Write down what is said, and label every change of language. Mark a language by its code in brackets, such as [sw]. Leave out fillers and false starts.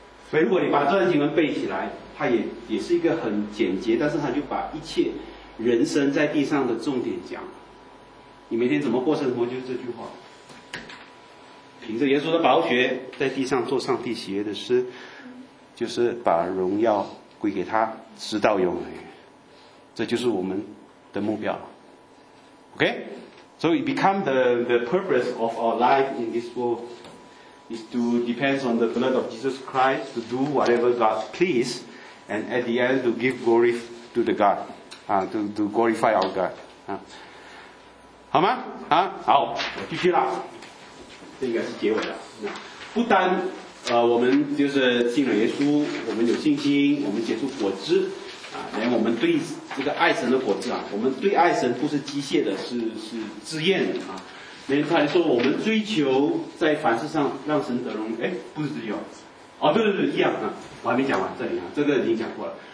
[zh] 所以如果你把这段经文背起来，它也是一个很简洁，但是它就把一切人生在地上的重点讲。你每天怎么过生活，就是这句话。凭着耶稣的宝血在地上做上帝喜悦的事，就是把荣耀归给他，直到永远。这就是我们的目标。 [en] OK， so it become the purpose of our life in this world is to depends on the blood of Jesus Christ to do whatever God please and at the end to give glory to the God、to glorify our God、 [zh] 好吗、好，我继续了，这应该是结尾了。不单我们就是信了耶稣，我们有信心，我们结出果汁啊，连我们对这个爱神的果汁啊，我们对爱神不是机械的，是自愿的啊。连他还说我们追求在凡事上让神得荣，哎，不是自由哦，对对对，一样啊，我还没讲完这里啊，这个已经讲过了。